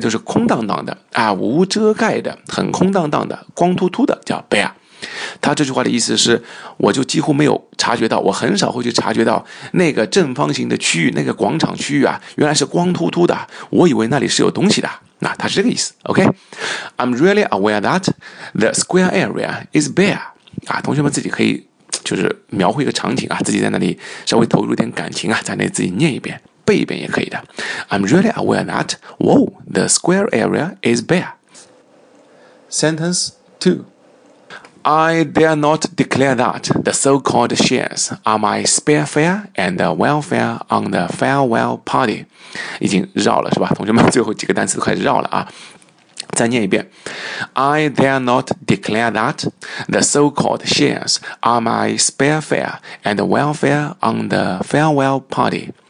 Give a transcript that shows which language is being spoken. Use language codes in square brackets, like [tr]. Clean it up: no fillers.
[zh] 就是空荡荡的啊，无遮盖的，很空荡荡的，光秃秃的，叫 bare。他这句话的意思是，我就几乎没有察觉到，我很少会去察觉到那个正方形的区域，那个广场区域啊，原来是光秃秃的，我以为那里是有东西的。那他是这个意思 ，OK? [en] I'm really aware that the square area is bare. [zh] 啊，同学们自己可以就是描绘一个场景啊，自己在那里稍微投入点感情啊，在那里自己念一遍、背一遍也可以的。 [en] I'm really aware that whoa, the square area is bare. Sentence 2. I dare not declare that the so-called shares are my spare fare and welfare on the farewell party. [zh] 已经绕了是吧？同学们，最后几个单词都快绕了啊！再念一遍。 [en] I dare not declare that the so-called shares are my spare fare and welfare on the farewell party.